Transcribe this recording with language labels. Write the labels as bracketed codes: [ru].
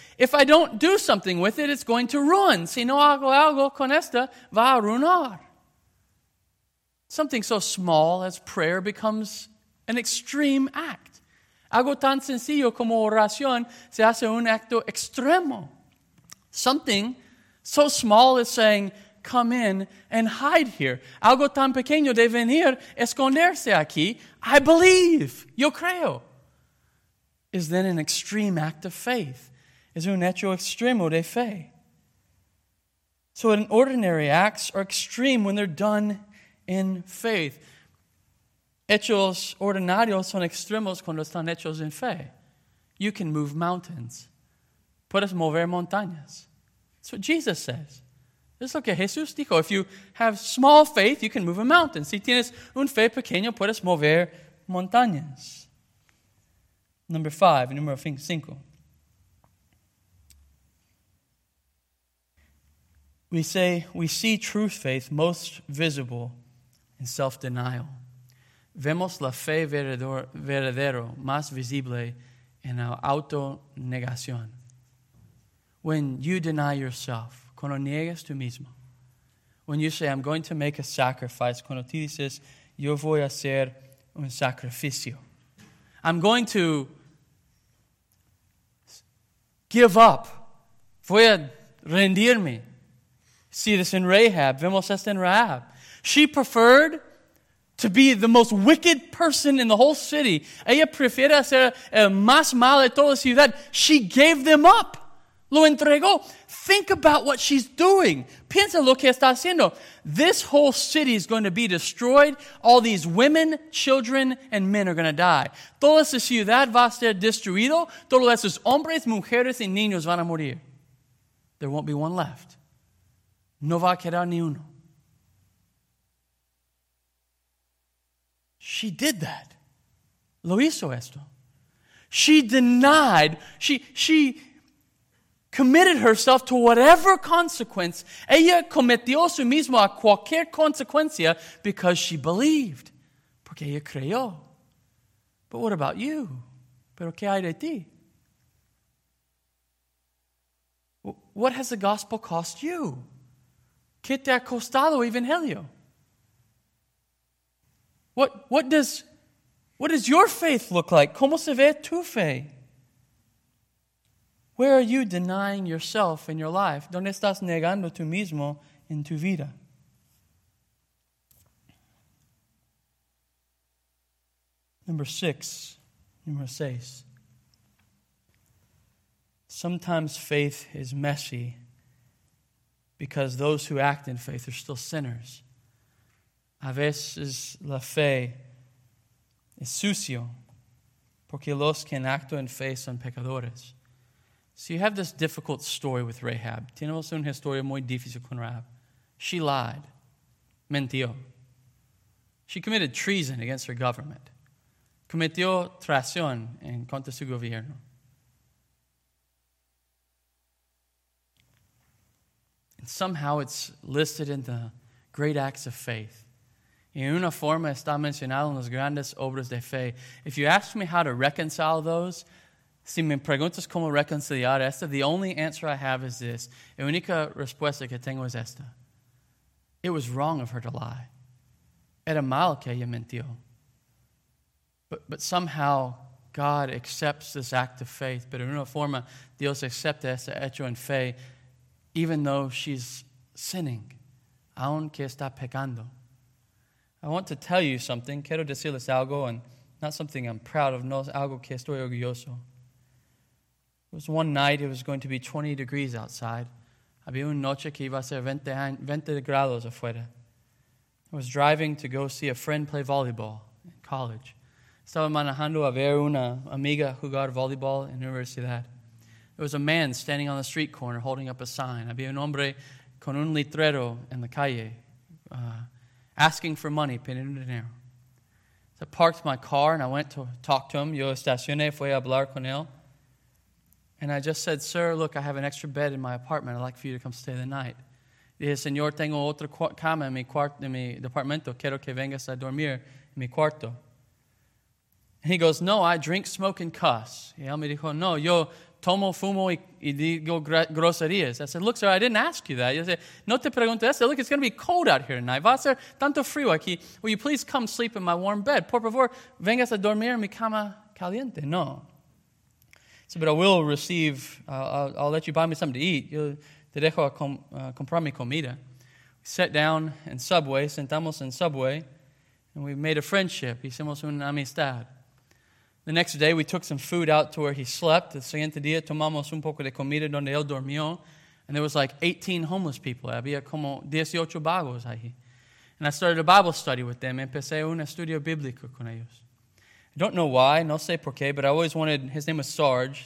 [en] If I don't do something with it, it's going to ruin. [es] Si no hago algo con esta, va a arruinar. [en] Something so small as prayer becomes an extreme act. [es] Algo tan sencillo como oración se hace un acto extremo. [en] Something so small as saying, come in and hide here. [es] Algo tan pequeño de venir, esconderse aquí. [en] I believe, [es] yo creo, [en] is then an extreme act of faith. [es] Es un hecho extremo de fe. [en] So ordinary acts are extreme when they're done in faith. [es] Hechos ordinarios son extremos cuando están hechos en fe. [en] You can move mountains. [es] Puedes mover montañas. [en] That's what Jesus says. This is [es] lo que Jesús dijo. [en] If you have small faith, you can move a mountain. [es] Si tienes un fe pequeño, puedes mover montañas. [en] Number five, [es] número cinco. [en] We see true faith most visible in self-denial. [es] Vemos la fe verdadero más visible en la autonegación. [en] When you deny yourself, [es] cuando niegas tú mismo, [en] when you say, I'm going to make a sacrifice, [es] cuando tú dices, yo voy a hacer un sacrificio, [en] I'm going to give up, [es] voy a rendirme. [en] See this in Rahab. [es] Vemos esto en Rahab. [en] She preferred to be the most wicked person in the whole city. [es] Ella prefiere ser el más mal de toda la ciudad. [en] She gave them up. [es] Lo entregó. [en] Think about what she's doing. [es] Piensa lo que está haciendo. [en] This whole city is going to be destroyed. All these women, children, and men are going to die. [es] Toda esa ciudad va a ser destruido. Todos esos hombres, mujeres, y niños van a morir. [en] There won't be one left. [es] No va a quedar ni uno. [en] She did that. [es] Lo hizo esto. [en] She denied. She committed herself to whatever consequence. [es] Ella cometió su mismo a cualquier consecuencia [en] because she believed. [es] Porque ella creyó. [en] But what about you? [es] Pero qué hay de ti? [en] What has the gospel cost you? [es] ¿Qué te ha costado evangelio? [en] What does your faith look like? [es] ¿Cómo se ve tu fe? [en] Where are you denying yourself in your life? [es] ¿Dónde estás negando tú mismo en tu vida? Número seis. [en] Sometimes faith is messy. Because those who act in faith are still sinners. [es] A veces la fe es sucio, porque los que actúan en fe son pecadores. [en] So you have this difficult story with Rahab. [es] Tenemos una historia muy difícil con Rahab. [en] She lied. [es] Mentió. [en] She committed treason against her government. [es] Cometió traición en contra su gobierno. [en] Somehow it's listed in the great acts of faith. [es] En una forma está mencionado en las grandes obras de fe. [en] If you ask me how to reconcile those, [es] si me preguntas cómo reconciliar esta, [en] the only answer I have is this. [es] La única respuesta que tengo es esta. [en] It was wrong of her to lie. [es] Era mal que ella mintió. [en] But somehow God accepts this act of faith. [es] Pero en una forma Dios acepta este hecho en fe. [en] Even though she's sinning, [es] aunque está pecando. [en] I want to tell you something. [es] Quiero decirles algo, [en] and not something I'm proud of, [es] no, algo que estoy orgulloso. [en] It was one night, it was going to be 20 degrees outside. [es] Había una noche que iba a ser 20 grados afuera. [en] I was driving to go see a friend play volleyball in college. [es] Estaba manejando a ver una amiga jugar volleyball en la universidad. [en] There was a man standing on the street corner holding up a sign. [es] Había un hombre con un letrero en la calle, [en] asking for money, [es] pidiendo dinero. [en] So I parked my car and I went to talk to him. [es] Yo estacioné, fui a hablar con él. [en] And I just said, sir, look, I have an extra bed in my apartment. I'd like for you to come stay the night. [es] Dije, señor, tengo otra cama en mi departamento. Quiero que vengas a dormir en mi cuarto. [en] And he goes, no, I drink, smoke, and cuss. [es] Y él me dijo, no, yo tomo, fumo, y digo groserías. [en] I said, look, sir, I didn't ask you that. He said, [es] no te pregunto eso. [en] Look, it's going to be cold out here tonight. [es] Va a ser tanto frío aquí. [en] Will you please come sleep in my warm bed? [es] Por favor, vengas a dormir en mi cama caliente. No. [en] So, but I will receive, I'll let you buy me something to eat. [es] Yo te dejo comprar mi comida. [en] We sat down in Subway, [es] sentamos en Subway, [en] and we made a friendship. [es] Hicimos una amistad. [en] The next day, we took some food out to where he slept. [es] El siguiente día, tomamos un poco de comida donde él dormió. [en] And there was like 18 homeless people. [es] Había como 18 vagos ahí. [en] And I started a Bible study with them. [es] Empecé un estudio bíblico con ellos. [en] I don't know why, [es] no sé por qué, [en] but I always wanted, his name was Sarge.